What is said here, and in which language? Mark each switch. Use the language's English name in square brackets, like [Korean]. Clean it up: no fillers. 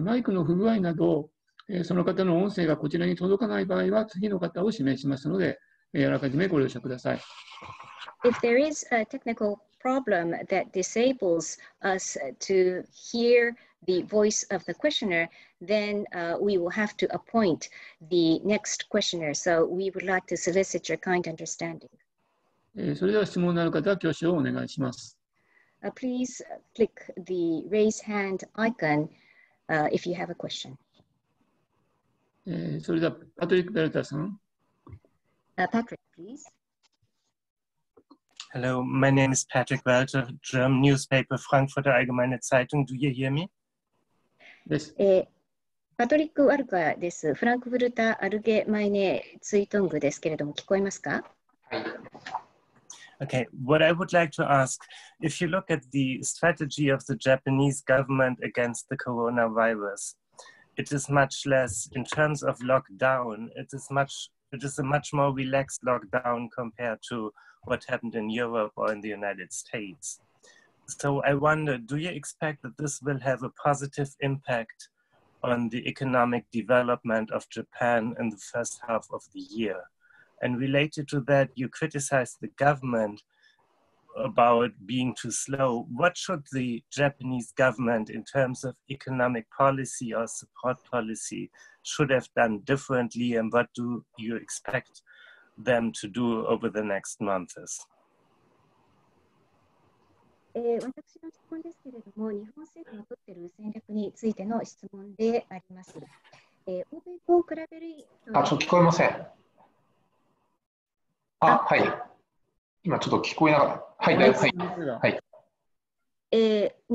[Japanese] マイクの不具合など、その方の音声がこちらに届かない場合は、次の方を指名しますので、あらかじめご了承ください。 [English] If there is a technical problem that disables us to hear the voice of the questioner, then we will have to appoint the next questioner. So we would like to solicit your kind understanding. [Japanese] それでは質問のある方は挙手をお願いします。 [English] Please click the raise hand icon. If you have a question. [Japanese] それではパトリック・ベルターさん。 [English] Patrick, please. Hello, my name is Patrick Welter, German newspaper Frankfurter Allgemeine Zeitung. Do you hear me? Yes. [Japanese] パトリック・ワルカーです。フランクフルタ・アルゲマイネ・ツイトングですけれども、聞こえますか？はい。 [English] Okay, what I would like to ask, if you look at the strategy of the Japanese government against the coronavirus, it is much less, in terms of lockdown, it is a much more relaxed lockdown compared to what happened in Europe or in the United States. So I wonder, do you expect that this will have a positive impact on the economic development of Japan in the first half of the year? And related to that, you criticized the government about being too slow. What should the Japanese government, in terms of economic policy or support policy, should have done differently? And what do you expect them to do over the next months? [Japanese] 私の質問ですけれども、日本政府が取っている戦略についての質問であります。欧米と比べる。あ、ちょっと聞こえません。あ、はい。今ちょっと聞こえなかった。はい、大丈夫です。はい。